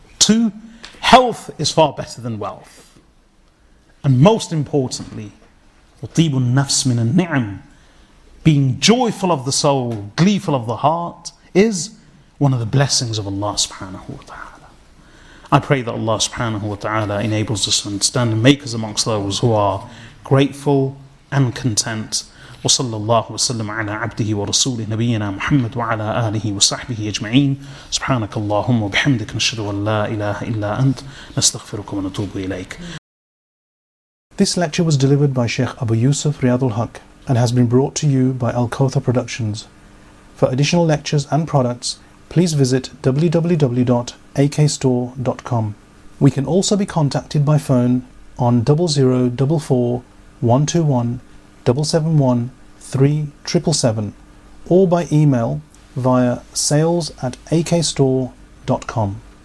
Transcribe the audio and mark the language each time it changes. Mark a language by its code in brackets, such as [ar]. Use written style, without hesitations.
[en] Two, health is far better than wealth. And most importantly, [ar] وَطِيبُ النَّفْسِ مِنَ النِّعْمِ, [en] being joyful of the soul, gleeful of the heart, is one of the blessings of Allah subhanahu wa ta'ala. I pray that Allah subhanahu wa ta'ala enables us to understand and make us amongst those who are grateful and content. [ar] وصلى الله وسلم على عبده ورسوله نبينا محمد وعلى آله وصحبه أجمعين. سبحانك اللهم وبحمدك نشهد أن لا إله إلا أنت نستغفرك ونتوب إليك. [en] This lecture was delivered by Sheikh Abu Yusuf Riyad al-Haq and has been brought to you by Al-Kawthar Productions. For additional lectures and products, please visit www.akstore.com. We can also be contacted by phone on 0044 121 771 377 or by email via sales@akstore.com.